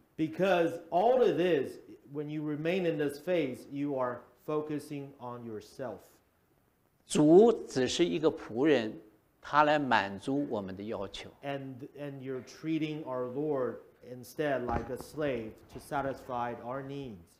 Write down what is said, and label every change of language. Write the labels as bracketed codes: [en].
[en] Because all of this, when you remain in this phase, you are. Focusing on yourself. [zh] 主只是一个仆人，他来满足我们的要求。 [en] And you're treating our Lord instead like a slave to satisfy our needs.